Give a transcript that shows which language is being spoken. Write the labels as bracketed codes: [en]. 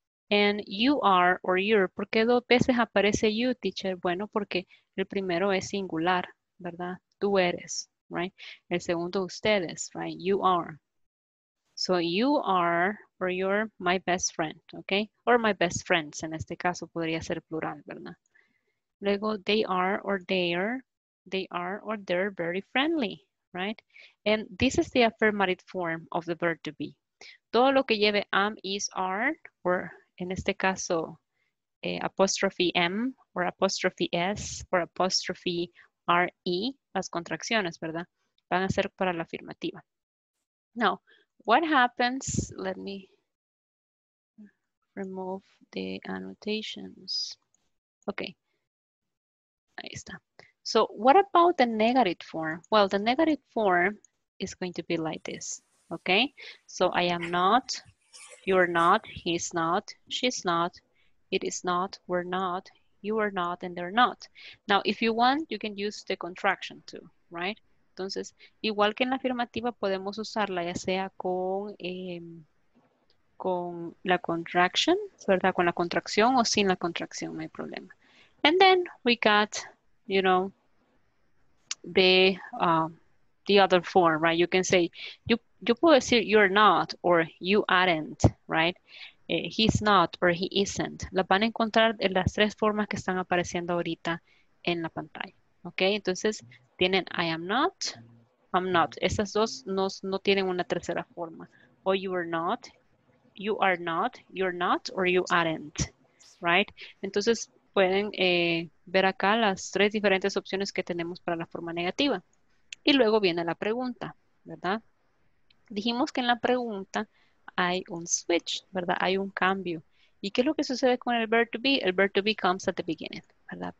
[en] And you are or you're. [es] ¿Por qué dos veces aparece [en] you, teacher? [es] Bueno, porque el primero es singular, ¿verdad? Tú eres, right? El segundo, ustedes, right? [en] You are. So you are or you're my best friend, okay? Or my best friends, [es] en este caso podría ser plural, ¿verdad? [en] Luego, they are or they're very friendly, right? And this is the affirmative form of the verb to be. [es] Todo lo que lleve am, is, are, or en este caso, apostrophe M, or apostrophe S, or apostrophe RE, las contracciones, ¿verdad? Van a ser para la afirmativa. [en] Now, what happens, let me remove the annotations. Okay, [es] ahí está. [en] So what about the negative form? Well, the negative form is going to be like this, okay? So I am not, you're not, he's not, she's not, it is not, we're not, you are not, and they're not. Now, if you want, you can use the contraction too, right? [es] Entonces, igual que en la afirmativa, podemos usarla ya sea con la contraction, ¿verdad? Con la contracción o sin la contracción, no hay problema. [en] And then we got, you know, the other form, right? You can say, [es] yo puedo decir [en] you're not or you aren't, right? He's not or he isn't. [es] Las van a encontrar en las tres formas que están apareciendo ahorita en la pantalla, ¿ok? Entonces, tienen I am not, I'm not. Esas dos no tienen una tercera forma. [en] O you are not, you are not, you're not, or you aren't, right? [es] Entonces, pueden ver acá las tres diferentes opciones que tenemos para la forma negativa. Y luego viene la pregunta, ¿verdad? Dijimos que en la pregunta hay un switch, ¿verdad? Hay un cambio. ¿Y qué es lo que sucede con el verb to be? El verb to be [en] comes at the beginning, [es] ¿verdad?